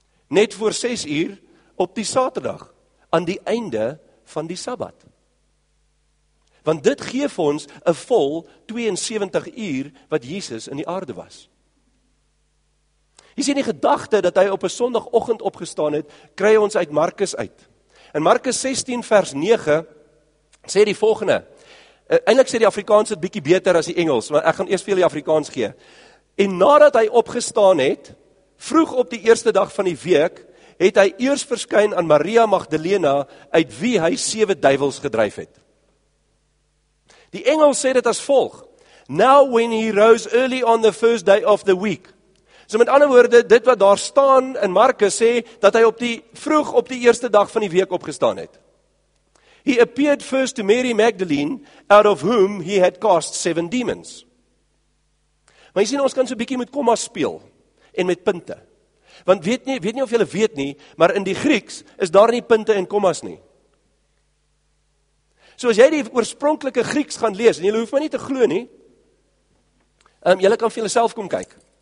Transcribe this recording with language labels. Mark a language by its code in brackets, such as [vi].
[af] Net voor 6 uur op die Saterdag, aan die einde van die Sabbat. Want dit geef ons 'n vol 72 uur wat Jesus in die aarde was. Jy sien die gedagte dat hy op 'n Sondagoggend opgestaan het, kry ons uit Markus uit. In Markus 16 vers 9 sê die volgende, eintlik sê die Afrikaans het bietjie beter as die Engels, maar ek gaan eers vir julle die Afrikaans gee. En nadat hy opgestaan het, vroeg op die 1de dag van die week, het hy eers verskyn aan Maria Magdalena, uit wie hy 7 duivels gedryf het. Die engel sê dit as volg, [en] now when he rose early on the first day of the week. [af] So met ander woorde, dit wat daar staan in Markus sê, dat hy vroeg op die 1de dag van die week opgestaan het. [en] He appeared first to Mary Magdalene, out of whom he had cast 7 demons. [af] Maar jy sien, ons kan so 'n bietjie met komma speel en met punte. Want weet nie of julle weet nie, maar in die Grieks is daar nie punte en kommas nie. So as jy die oorspronklike Grieks gaan lees, en julle hoef my nie te glo nie, julle kan vir julleself kom kyk.